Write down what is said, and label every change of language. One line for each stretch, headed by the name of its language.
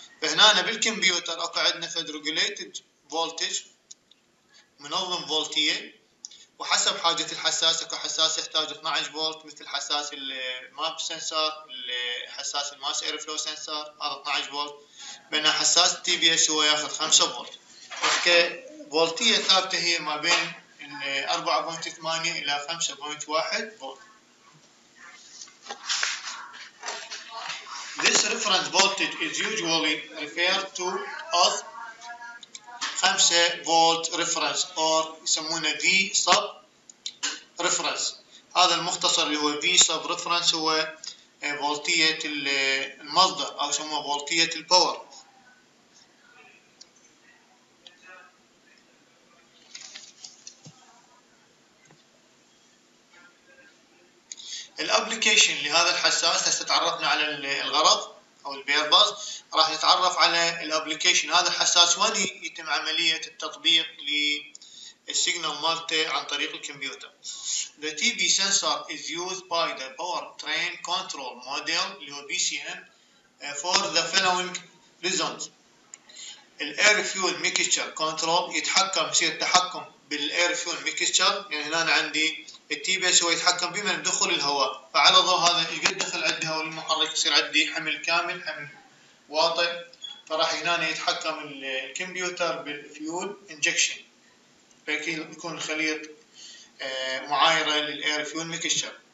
Arabic: فهنا بالكمبيوتر اكو عندنا فد regulated فولتج منظم فولتية، وحسب حاجة الحساس اكو حساس يحتاج 12 فولت مثل حساس الماب سنسر، حساس الماس اير فلو سنسر هذا 12 فولت، بينما حساس تي بي اس هو ياخذ 5 فولت. فولتية ثابتة هي ما بين 4.8 الى 5.1 فولت.
English: This reference voltage is usually referred to as
Arabic: 5 فولت ريفرنس او يسمونه في سب ريفرنس. هذا المختصر اللي هو في سب ريفرنس هو فولتية المصدر او يسموه فولتية الباور. الابلكيشن لهذا الحساس هسه تعرفنا على الغرض او البيرباز، راح نتعرف على الابلكيشن هذا الحساس وين يتم عمليه التطبيق للسيجنال مالته عن طريق الكمبيوتر.
English: The TB sensor is used by the power train control module
Arabic: اللي هو
English: BCM for the following reasons.
Arabic: الاير فيول ميكستشر كنترول يتحكم، يصير التحكم بالاير فيول ميكستشر. يعني هنا عندي التي بي اس هو يتحكم بمن دخول الهواء، فعلى ضوء هذا اذا دخل عندي هواء المحرك يصير عندي حمل كامل حمل واطي، فراح هنا يتحكم الكمبيوتر بالفيول انجكشن، يكون خليط معايره للاير فيول ميكستشر.